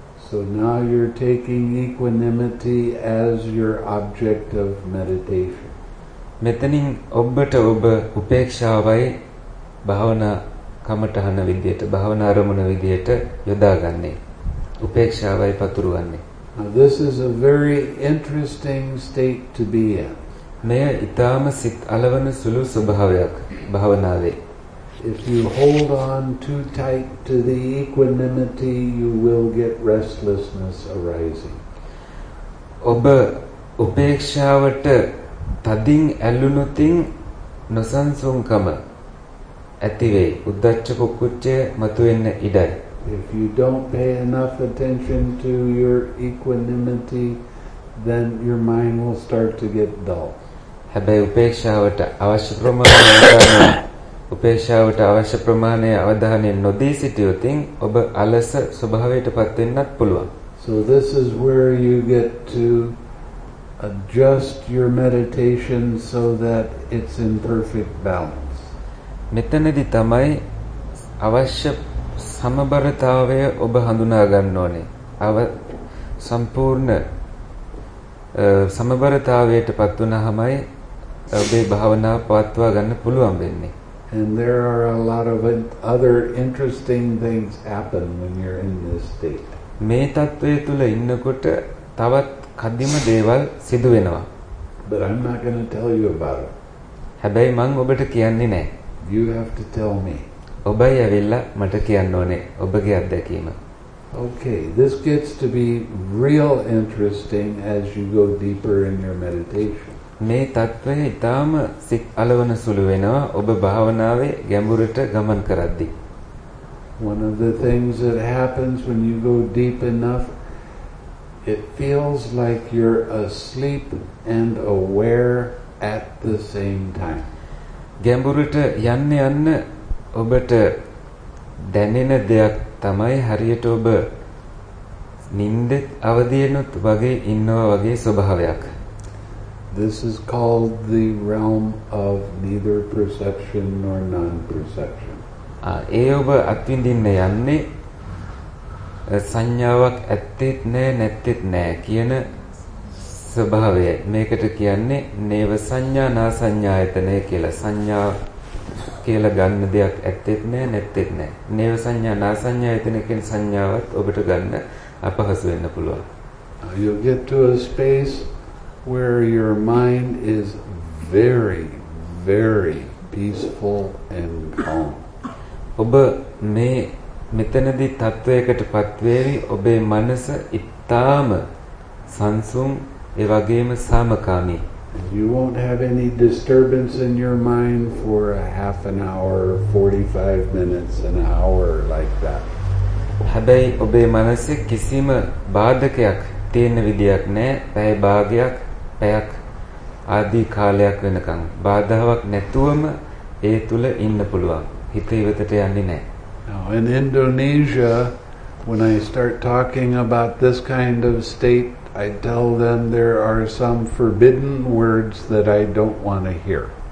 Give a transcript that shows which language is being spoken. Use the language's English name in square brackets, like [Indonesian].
[English] So now you're taking equanimity as your object of meditation. [Sinhala] මෙතනින් ඔබට ඔබ උපේක්ෂාවයි භාවනා කමඨහන විදියට භාවනා අරමුණ විදියට යොදාගන්නේ. උපේක්ෂාවයි පතුරවන්නේ. [English] Now this is a very interesting state to be in. [Sinhala] මෙය ඊටාම සිත් අලවන සුළු ස්වභාවයක් භාවනාවේ. [English] If you hold on too tight to the equanimity, you will get restlessness arising. [Sinhala] ඔබ උපේක්ෂාවට තදින් ඇලුනොතින් නොසන්සුන්කම ඇතිවේ. උද්දච්ච කුක්කුච්චය මතුවෙන්න ඉඩයි. [English] If you don't pay enough attention to your equanimity, then your mind will start to get dull. [Sinhala] හැබැයි උපේක්ෂාවට අවශ්‍ය ප්‍රමාණය උපේක්ෂාවට අවශ්‍ය ප්‍රමාණය අවධානය නොදී සිටියොතින් ඔබ අලස ස්වභාවයට පත් වෙන්නත් පුළුවන්. [English] So this is where you get to adjust your meditation so that it's in perfect balance. [Sinhala] මෙතනදී තමයි අවශ්‍ය සමබරතාවය ඔබ හඳුනා ගන්න ඕනේ. අව සම්පූර්ණ සමබරතාවයට පත් වුණාමයි ඔබේ භාවනාව පවත්වා ගන්න පුළුවන් වෙන්නේ. [English] And there are a lot of other interesting things happen when you're in this state. [Sinhala] මේ තත්ත්වයේ තුල ඉන්නකොට තවත් කදිම දේවල් සිදු වෙනවා. [English] But I'm not going to tell you about it. [Sinhala] හැබැයි මම ඔබට කියන්නේ නැහැ. [English] You have to tell me. [Sinhala] ඔබයි ඇවිල්ලා මට කියන්න ඕනේ ඔබගේ අත්දැකීම. [English] Okay, this gets to be real interesting as you go deeper in your meditation. [Sinhala] මේ තත්ත්වය ඊටාම සිත් අලවන සුළු වෙනවා ඔබ භාවනාවේ ගැඹුරට ගමන් කරද්දී. [English] One of the things that happens when you go deep enough, it feels like you're asleep and aware at the same time. [Sinhala] ගැඹුරට යන්න යන්න ඔබට දැනෙන දෙයක් තමයි හරියට ඔබ නිින්ද අවදීනොත් වගේ ඉන්නවා වගේ ස්වභාවයක්. [English] This is called the realm of neither perception nor non-perception. [Sinhala] ඒ ඔබ අත්විඳින්න යන්නේ සංඥාවක් ඇත්තෙත් නැහැ නැත්තෙත් නැහැ කියන ස්වභාවය. මේකට කියන්නේ නේව සංඥා නාසඤ්ඤායතනය කියලා. සංඥා කියලා ගන්න දෙයක් ඇත්තෙත් නැහැ නැත්තෙත් නැහැ. නේව සංඥා නාසඤ්ඤායතන කියන සංඥාවත් ඔබට ගන්න අපහසු වෙන්න පුළුවන්. [English] You get to a space where your mind is very very peaceful and calm. [Sinhala] ඔබ මේ මෙතනදි තත්වයකටපත් වෙවි. ඔබේ මනස ඉතාම සංසුන් ඒ වගේම සමකාමී. [English] You won't have any disturbance in your mind for a half an hour, 45 minutes, an hour like that. [Sinhala] හැබැයි ඔබේ මනසේ කිසිම බාධකයක් තියෙන විදියක් නැහැ. පැය භාගයක් එයක් ආදී කාලයක් වෙනකන් බාධාවක් නැතුවම ඒ තුල ඉන්න පුළුවන්. හිත ඉවතට යන්නේ නැහැ. [English] Now in Indonesia, when I start talking about this kind of state, I tell them there are some forbidden words that I don't want to hear.